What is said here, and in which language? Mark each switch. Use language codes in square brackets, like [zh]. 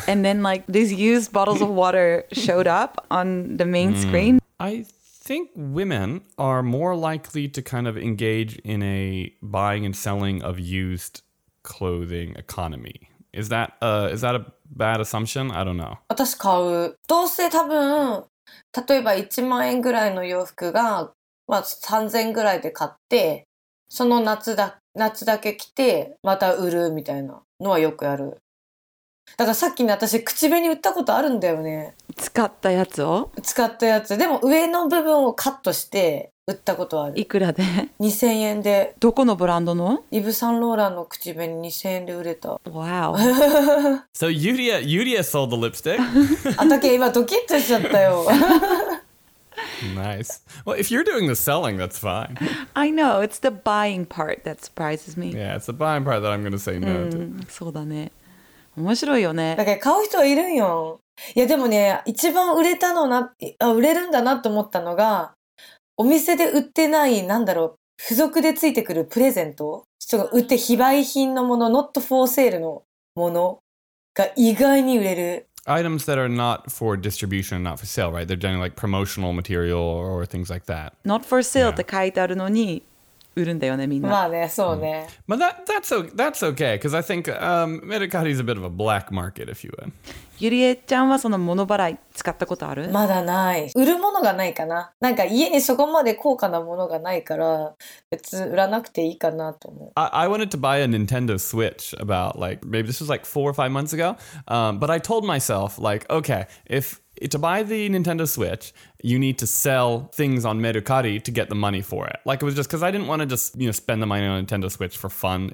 [en] And then like these used bottles of water showed up on the main screen. I think women are more likely to kind of engage in a buying and selling of used clothing economy. Is that a bad assumption? I don't know. [ja] 私買う。どうせ多分、例えば1万円ぐらいの洋服が、まあ、3000円ぐらいで買って、その夏だけ着て、また売るみたいなのはよくやる。だからさっきね、私口紅売ったことあるんだよね。使ったやつを？使ったやつ。でも上の部分をカットして、売ったことある。いくらで？ 2000円で。どこのブランドの？イブ・サンローランの口紅2000円で売れた。 [en] Wow. So Yuria sold the lipstick. [ja] あたけ今ドキッとしちゃったよ。 [en] Nice. Well, if you're doing the selling, that's fine. I know. It's the buying part that surprises me. Yeah, it's the buying part that I'm going to say no to. [ja] そうだね。面白いよね。だから買う人はいるんよ。いやでもね、一番売れたのな、あ、売れるんだなと思ったのが、お店で売ってない、なんだろう、付属でついてくるプレゼント、ちょっと売って非売品のもの、 [en] not for sale [ja] のものが意外に売れる。 [en] items that are not for distribution, not for sale, right? They're generally like promotional material or things like that. Not for sale [ja] って書いてあるのに売るんだよね、みんな。まあね、そうね。 [en] But that's okay, because I think Mercari is a bit of a black market, if you will. [ja] ゆりえちゃんはその物払い使ったことある？まだない。売るものがないかな。なんか家にそこまで高価なものがないから、別売らなくていいかなと思う。 [en] I wanted to buy a Nintendo Switch about like, maybe this was like 4 or 5 months ago. But I told myself like, okay, if... To buy the Nintendo Switch, you need to sell things on Mercari to get the money for it. Like, it was just because I didn't want to just, you know, spend the money on a Nintendo Switch for fun.